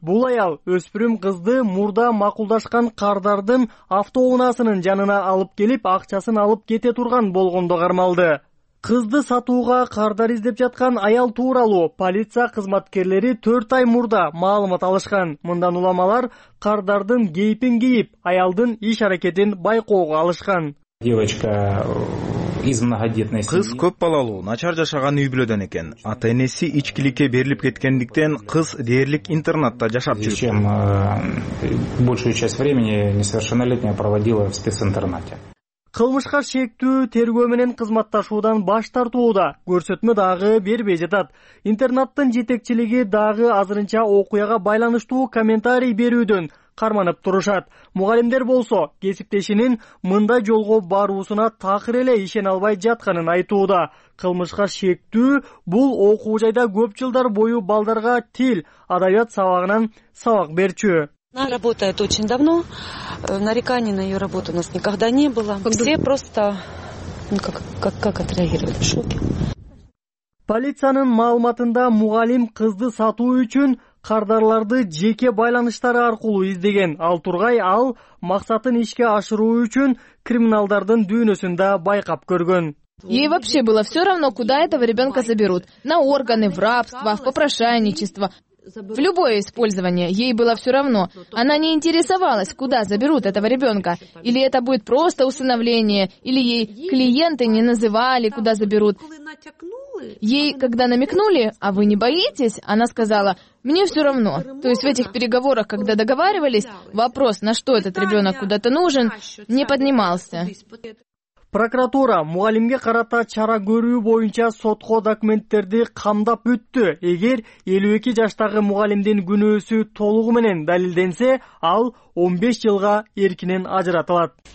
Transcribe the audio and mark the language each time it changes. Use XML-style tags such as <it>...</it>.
<ky>Бул аял өспүрүм кызды мурда макулдашкан кардардын автоунаасынын жанына алып келип, акчасын алып кете турган болгондо кармалды. Кызды сатууга кардар издеп жаткан аял тууралуу полиция кызматкерлери 4 ай мурда маалымат алышкан. Мындан улам алар кардардын кейпин кийип, аялдын иш аракетин байкоого алышкан.</ky> <ru>Девочка из многодетной семьи.</ru> <ky>Кыз көп балалуу, начар жашаган үй бүлөдөн экен. Ата-энеси ичкиликке берилип кеткендиктен кыз дээрлик интернатта жашап жүрөт.</ky> <ru>Чем большую часть времени несовершеннолетняя проводила в специнтернате.</ru> <ky>Кылмышка шектүү тергөө менен кызматташуудан баш тартууда көрсөтмө дагы бербей жатат. Интернаттын жетекчилиги дагы азырынча окуяга байланыштуу комментарий берүүдөн карманып турушат. Мугалимдер болсо кесиптешинин мындай жолго баруусуна такыр эле ишене албай жатканын айтууда. Кылмышка шектүү бул окуу жайда көп жылдар бою балдарга тил, адабият сабагынан сабак берчү.</ky> <ru>Она работает очень давно. Нареканий на ее работу у нас никогда не было. Все просто как отреагировали в шоке. Полициянын маалыматында мугалим кызды сатуу үчүн кардарларды жеке байланыштары аркылуу издеген. Ал тургай ал максатын ишке ашыруу үчүн криминалдардын дүйнөсүн да байкап көргөн. Ей вообще было все равно, куда этого ребенка заберут. На органы, в рабство, в попрошайничество. В любое использование ей было все равно. Она не интересовалась, куда заберут этого ребенка. Или это будет просто усыновление, или ей клиенты не называли, куда заберут. Ей, когда намекнули, а вы не боитесь, она сказала, мне все равно. То есть в этих переговорах, когда договаривались, вопрос, на что этот ребенок куда-то нужен, не поднимался.</ru> <ky>Прокуратура мугалимге карата чара көрүү боюнча сотко документтерди камдап бүттү. Эгер 52 жаштагы мугалимдин күнөөсү толугу менен далилденсе, ал 15 жылга эркинен ажыратылат.</ky>